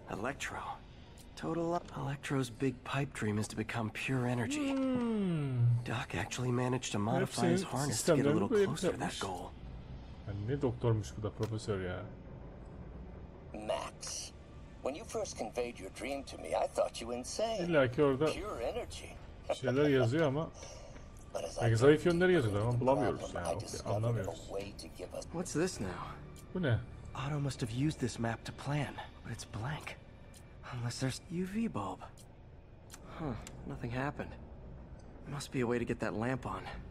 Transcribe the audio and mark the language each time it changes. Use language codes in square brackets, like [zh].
[en] Electro. Total Electro's big pipe dream is to become pure energy. Doc actually managed to modify his harness to get a little closer to that goal. [tr] Ne doktormuş bu da, profesör ya. [en] Max, when you first conveyed your dream to me, I thought you insane. [tr] İlla ki orada pure energy. Şeyler yazıyor ama belki zayıf yönleri yazıyor ama bulamıyoruz ya. Anlamıyoruz. [en] What's this now? [tr] Bu ne? [en] Otto must have used this map to plan, but it's blank. Unless there's UV bulb. Huh, nothing happened. Must be a way to get that lamp on.